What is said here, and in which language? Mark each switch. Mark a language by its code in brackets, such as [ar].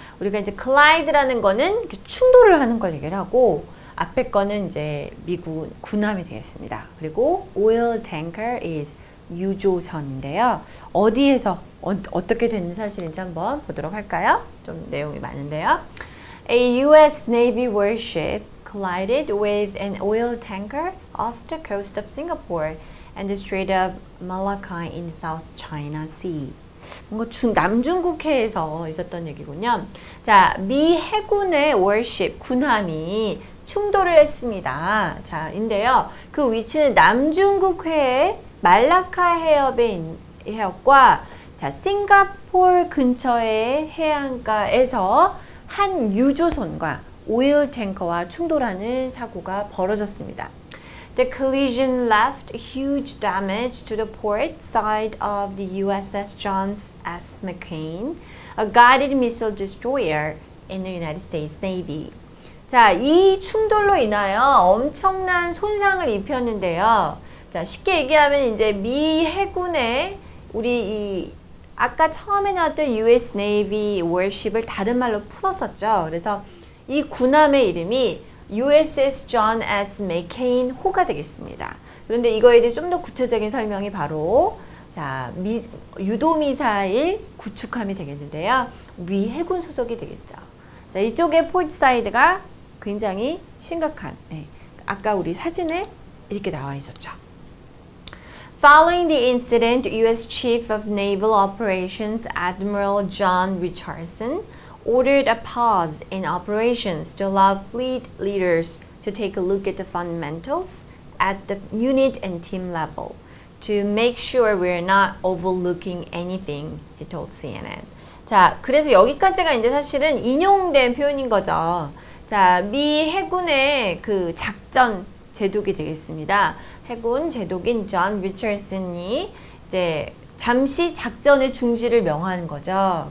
[ko] 우리가 이제 collide라는 거는 충돌을 하는 걸 얘기를 하고 앞에 거는 이제 미국 군함이 되겠습니다. 그리고 oil tanker is 유조선인데요. 어디에서 어떻게 됐는지 사실인지 한번 보도록 할까요? 좀 내용이 많은데요. [en] A US Navy warship collided with an oil tanker off the coast of Singapore and the Strait of Malacca in South China Sea. [ko] 뭔가 남중국해에서 있었던 얘기군요. 자, 미 해군의 warship 군함이 충돌을 했습니다. 자, 인데요. 그 위치는 남중국해의 말라카 해협과 싱가포르 근처의 해안가에서 한 유조선과 오일 탱커와 충돌하는 사고가 벌어졌습니다. [en] The collision left huge damage to the port side of the USS John S. McCain, a guided missile destroyer in the United States Navy. [ko] 자, 이 충돌로 인하여 엄청난 손상을 입혔는데요. 자, 쉽게 얘기하면 이제 미 해군의 우리 이 아까 처음에 나왔던 US Navy Warship을 다른 말로 풀었었죠. 그래서 이 군함의 이름이 USS John S. McCain 호가 되겠습니다. 그런데 이거에 대해 좀 더 구체적인 설명이 바로 자, 유도미사일 구축함이 되겠는데요. 미 해군 소속이 되겠죠. 자, 이쪽의 포트 사이드가 굉장히 심각한 네. 아까 우리 사진에 이렇게 나와 있었죠. [en] Following the incident, U.S. Chief of Naval Operations Admiral John Richardson ordered a pause in operations to allow fleet leaders to take a look at the fundamentals at the unit and team level to make sure we're not overlooking anything, he told CNN. [ko] 자, 그래서 여기까지가 이제 사실은 인용된 표현인 거죠. 자, 미 해군의 그 작전 제독이 되겠습니다. 해군 제독인 존 리처슨이 이제 잠시 작전의 중지를 명하는 거죠.